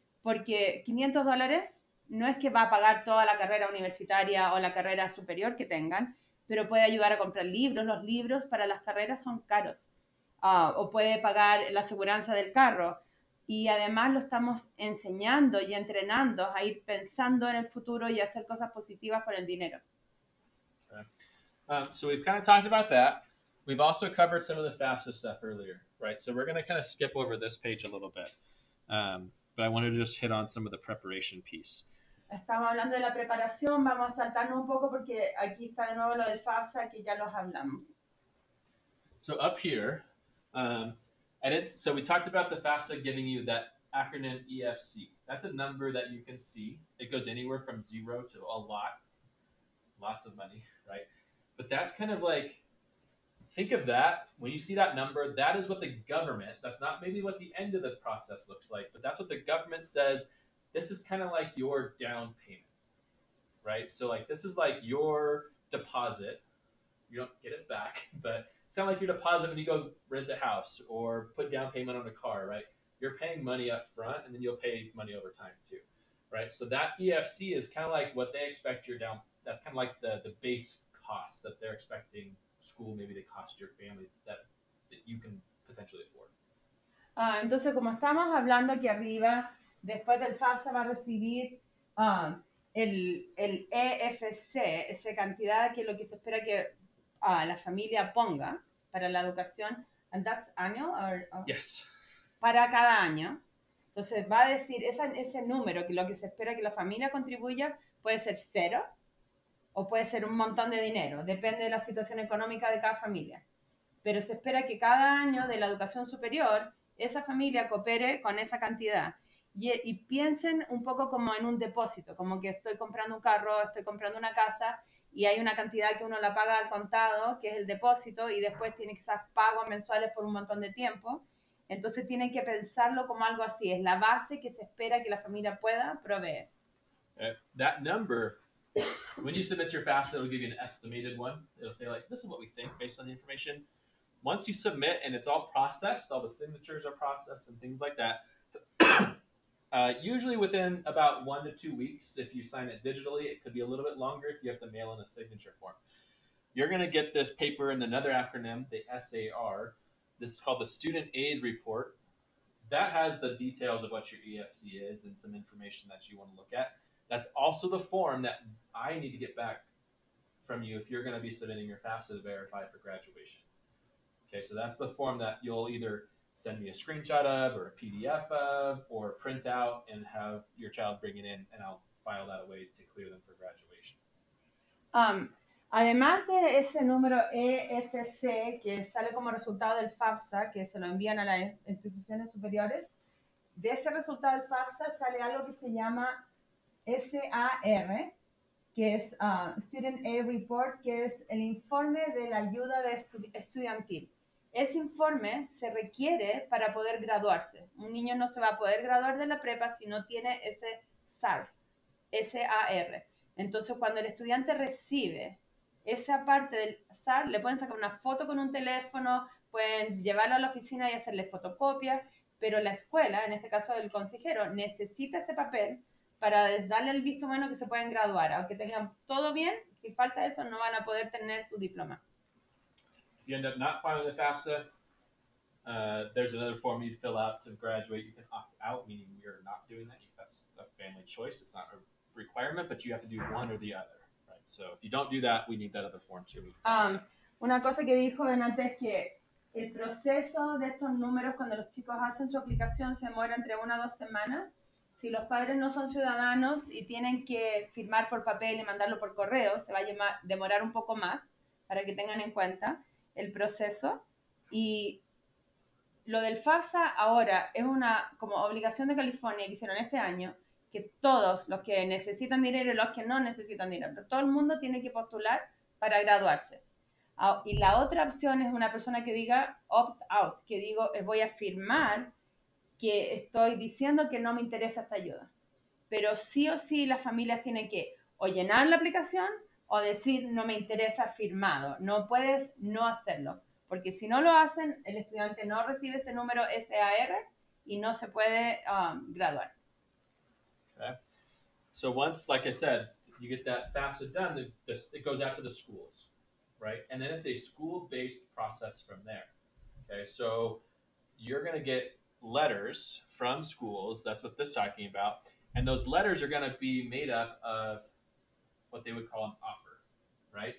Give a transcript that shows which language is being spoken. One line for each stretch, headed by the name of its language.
Spanish: Porque $500 no es que va a pagar toda la carrera universitaria o la carrera superior que tengan, pero puede ayudar a comprar libros. Los libros para las carreras son caros. O puede pagar la aseguranza del carro. Y además lo estamos enseñando y entrenando a ir pensando en el futuro y hacer cosas positivas con el dinero.
English: Okay. So we've kind of talked about that. We've also covered some of the FAFSA stuff earlier, right? So we're going to kind of skip over this page a little bit. But I wanted to just hit on some of the preparation piece.
Spanish: Estamos hablando de la preparación. Vamos a saltarnos un poco porque aquí está de nuevo lo del FAFSA que ya los hablamos.
English: So up here... So we talked about the FAFSA giving you that acronym EFC. That's a number that you can see. It goes anywhere from zero to a lot, lots of money, right? But that's kind of like, think of that. When you see that number, that is what the government, that's not maybe what the end of the process looks like, but that's what the government says. This is kind of like your down payment, right? So like, this is like your deposit. You don't get it back, but... It's kind of like your deposit when you go rent a house or put down payment on a car, right? You're paying money up front and then you'll pay money over time too, right? So that EFC is kind of like what they expect your down, that's kind of like the base cost that they're expecting school maybe to cost your family that you can potentially afford.
Spanish: Entonces, como estamos hablando aquí arriba, después del FAFSA va a recibir el EFC, esa cantidad que es lo que se espera que... la familia ponga para la educación,
English: and that's annual? Yes.
Spanish: Para cada año. Entonces, va a decir ese número, que lo que se espera que la familia contribuya, puede ser cero o puede ser un montón de dinero. Depende de la situación económica de cada familia. Pero se espera que cada año de la educación superior, esa familia coopere con esa cantidad. Y piensen un poco como en un depósito, como que estoy comprando un carro, estoy comprando una casa... Y hay una cantidad que uno la paga al contado, que es el depósito, y después tiene quizás pagos mensuales por un montón de tiempo. Entonces tienen que pensarlo como algo así. Es la base que se espera que la familia pueda proveer.
English: That number, when you submit your FAFSA, it'll give you an estimated one. It'll say like, this is what we think based on the information. Once you submit and it's all processed, all the signatures are processed and things like that, usually within about 1 to 2 weeks, if you sign it digitally, it could be a little bit longer if you have to mail in a signature form. You're going to get this paper and another acronym, the SAR. This is called the Student Aid Report. That has the details of what your EFC is and some information that you want to look at. That's also the form that I need to get back from you if you're going to be submitting your FAFSA to verify for graduation. Okay, so that's the form that you'll either... send me a screenshot of or a PDF of or print out and have your child bring it in and I'll file that away to clear them for graduation.
Spanish: Además de ese número EFC que sale como resultado del FAFSA, que se lo envían a las instituciones superiores, de ese resultado del FAFSA sale algo que se llama SAR, que es Student Aid Report, que es el informe de la ayuda de estudiantil. Ese informe se requiere para poder graduarse. Un niño no se va a poder graduar de la prepa si no tiene ese SAR. S-A-R. Entonces, cuando el estudiante recibe esa parte del SAR, le pueden sacar una foto con un teléfono, pueden llevarlo a la oficina y hacerle fotocopia, pero la escuela, en este caso el consejero, necesita ese papel para darle el visto bueno que se pueden graduar. Aunque tengan todo bien, si falta eso, no van a poder tener su diploma.
English: If you end up not filing the FAFSA, there's another form you fill out to graduate. You can opt out, meaning you're not doing that. That's a family choice. It's not a requirement, but you have to do one or the other. Right? So if you don't do that, we need that other form too.
Spanish: Una cosa que dijo antes es que el proceso de estos números, cuando los chicos hacen su aplicación, se demora entre 1 a 2 semanas. Si los padres no son ciudadanos y tienen que firmar por papel y mandarlo por correo, se va a demorar un poco más para que tengan en cuenta el proceso. Y lo del FAFSA ahora es una como obligación de California que hicieron este año, que todos los que necesitan dinero y los que no necesitan dinero, todo el mundo tiene que postular para graduarse. Y la otra opción es una persona que diga opt out, que digo voy a firmar que estoy diciendo que no me interesa esta ayuda. Pero sí o sí las familias tienen que o llenar la aplicación o decir, no me interesa firmado. No puedes no hacerlo. Porque si no lo hacen, el estudiante no recibe ese número SAR y no se puede graduar.
English: Okay. So once, like I said, you get that FAFSA done, it goes out to the schools, right? And then it's a school-based process from there. Okay, so you're going to get letters from schools. That's what this is talking about. And those letters are going to be made up of what they would call an offer, right?